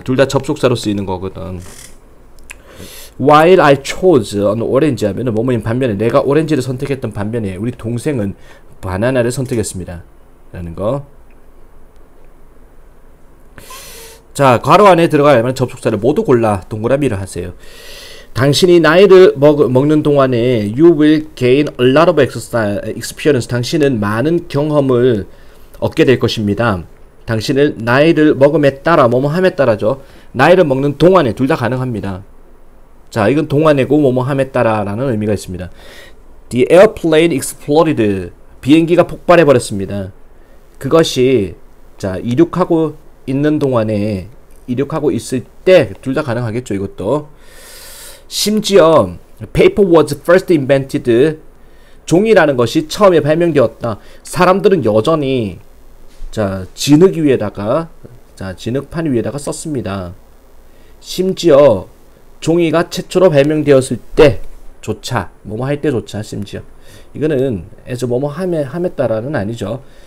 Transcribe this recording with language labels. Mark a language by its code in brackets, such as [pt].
[ko] 둘다 접속사로 쓰이는 거거든. [en] While I chose an orange [ko] 하면은 뭐뭐인 반면에 내가 오렌지를 선택했던 반면에 우리 동생은 바나나를 선택했습니다. 라는 거. 괄호 안에 들어갈 만한 접속사를 모두 골라 동그라미를 하세요. 당신이 나이를 먹는 동안에 [en] you will gain a lot of experience. [ko] 당신은 많은 경험을 얻게 될 것입니다. 당신을 나이를 먹음에 따라 뭐뭐 함에 따라죠. 나이를 먹는 동안에 둘다 가능합니다. 이건 동안이고 뭐뭐 함에 따라라는 의미가 있습니다. [en] The airplane exploded. [ko] 비행기가 폭발해 버렸습니다. 그것이 이륙하고 있는 동안에 이륙하고 있을 때둘다 가능하겠죠. 이것도. [en] 심지어 paper was first invented. [ko] 종이라는 것이 처음에 발명되었다. 사람들은 여전히 진흙판 위에다가 썼습니다. 심지어 종이가 최초로 발명되었을 때조차 뭐뭐 할 때조차 심지어 이거는 as 뭐뭐 함에 따라는 아니죠.